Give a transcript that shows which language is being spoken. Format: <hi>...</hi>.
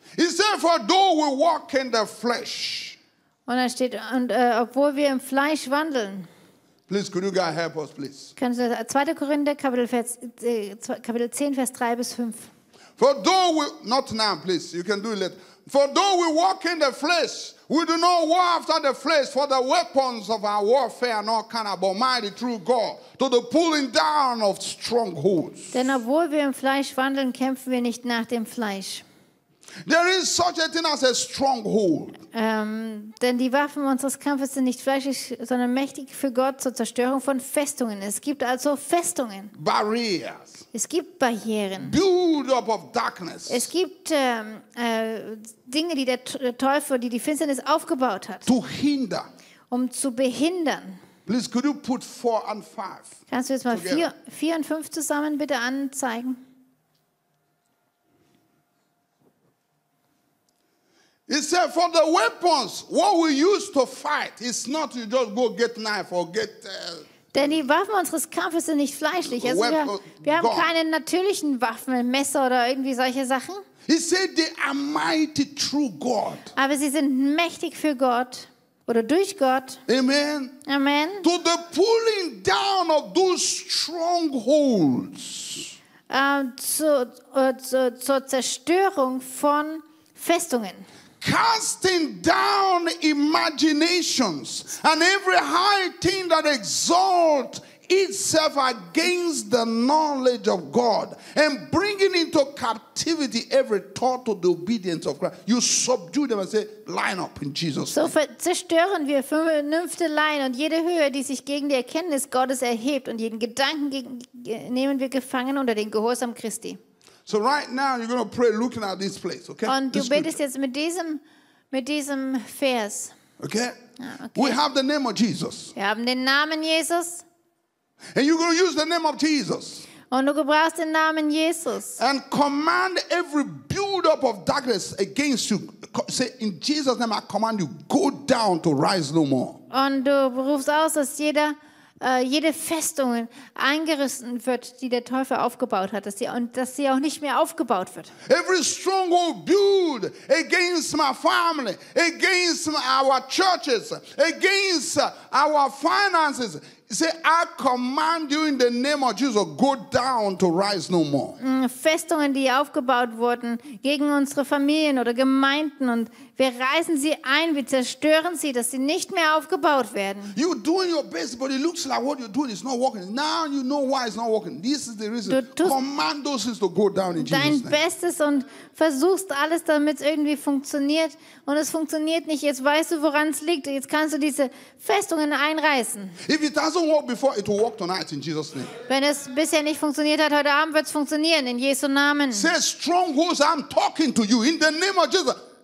<en>He said, "For though we walk in the flesh."</en> <de>Und er steht, und obwohl wir im Fleisch wandeln.</de> <en>Please, could you guys help us, please?</en> <de>Kannst du 2. Korinther Kapitel 10, Vers 3 bis 5.</de> <en>For though we not now, please. You can do it later. For though we walk in the flesh, we do not war after the flesh. For the weapons of our warfare are not carnal, but mighty through God to the pulling down of strongholds.</en> <de>Denn obwohl wir im Fleisch wandeln, kämpfen wir nicht nach dem Fleisch.</de> <en>There is such a thing as a stronghold.</en> <de>Denn die Waffen unseres Kampfes sind nicht fleischlich, sondern mächtig für Gott zur Zerstörung von Festungen. Es gibt also Festungen.</de> <en>Barriers.</en> <de>Es gibt Barrieren.</de> <en>Build up of darkness.</en> <de>Es gibt Dinge, die der Teufel, die Finsternis aufgebaut hat.</de> <en>To hinder.</en> <de>Um zu behindern.</de> <en>Please, could you put 4 and 5?</en> <de>Kannst du jetzt mal 4 und 5 zusammen bitte anzeigen?</de> <en>He said, for the weapons, what we use to fight, it's not you just go get knife or get...</en> <de>Denn die Waffen unseres Kampfes sind nicht fleischlich. Also wir haben keine natürlichen Waffen, Messer oder irgendwie solche Sachen.</de> <en>He said they are mighty through God.</en> <de>Aber sie sind mächtig für Gott oder durch Gott.</de> <en>Amen.</en> <de>Amen.</de> <en>To the pulling down of those strongholds.</en> <de>Zur Zerstörung von Festungen.</de> <en>Casting down imaginations and every high thing that exalts itself against the knowledge of God and bringing into captivity every thought to the obedience of Christ. You subdue them and say, line up in Jesus' name.</en> <de>So zerstören wir Vernünfteleien und jede Höhe, die sich gegen die Erkenntnis Gottes erhebt, und jeden Gedanken nehmen wir gefangen unter den Gehorsam Christi.</de> <en>So right now you're going to pray looking at this place, okay?</en> <de>Und du betest jetzt mit diesem Vers.</de> <en>Okay? We have the name of Jesus.</en> <de>Wir haben den Namen Jesus.</de> <en>And you're going to use the name of Jesus.</en> <de>Und du gebrauchst den Namen Jesus.</de> <en>And command every build up of darkness against you. Say, in Jesus' name I command you, go down to rise no more.</en> <de>Und du rufst aus, dass jede Festung eingerissen wird, die der Teufel aufgebaut hat, dass sie auch nicht mehr aufgebaut wird.</de> <en>Every stronghold built against my family, against our churches, against our finances, say, I command you in the name of Jesus, go down to rise no more.</en> <de>Festungen, die aufgebaut wurden gegen unsere Familien oder Gemeinden, und wir reißen sie ein, wir zerstören sie, dass sie nicht mehr aufgebaut werden.</de> <en>You doing your best, but it looks like what you're doing is not working. Now you know why it's not working. This is the reason. Command those things to go down in Jesus' name.</en> <de>Dein Bestes und versuchst alles, damit es irgendwie funktioniert, und es funktioniert nicht. Jetzt weißt du, woran es liegt. Jetzt kannst du diese Festungen einreißen.</de> <en>If it doesn't work before, it will work tonight in Jesus' name.</en> <de>Wenn es bisher nicht funktioniert hat, heute Abend wird es funktionieren in Jesu Namen.</de> <en>Say, strongholds, I'm talking to you in the name of Jesus.</en>